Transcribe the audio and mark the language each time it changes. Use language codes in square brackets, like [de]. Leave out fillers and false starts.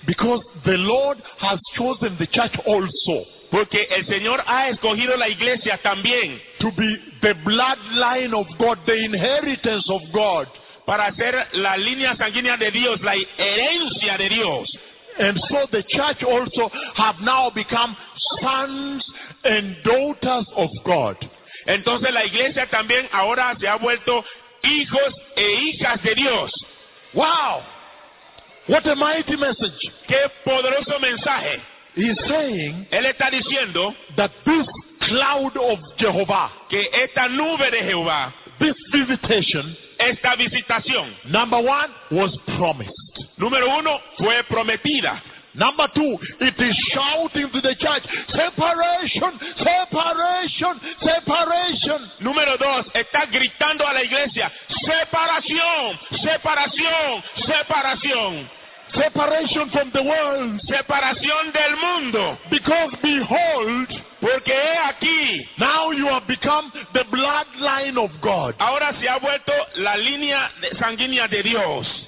[en] Because the Lord has chosen the church also. [es] Porque el Señor ha escogido la iglesia también. [en] To be the bloodline of God, the inheritance of God. [es] Para ser la línea sanguínea de Dios, la herencia de Dios. [en] And so the church also have now become sons and daughters of God. [es] Entonces la iglesia también ahora se ha vuelto hijos e hijas de Dios. [en] Wow! What a mighty message! [es] Qué poderoso mensaje! [en] He's saying, [es] él está diciendo, [en] that this cloud of Jehovah, [es] que esta nube de Jehová, [en] this visitation, [es] esta visitación, [en] number one, was promised. [es] Número uno, fue prometida. [en] Number two, it is shouting to the church, separation, separation, separation. [es] Número dos, está gritando a la iglesia, separación, separación, separación. [en] Separation from the world. [es] Separación del mundo. [en] Because behold, [es] porque he aquí, [en] now you have become the bloodline of God. [es] Ahora se ha vuelto la línea sanguínea de Dios.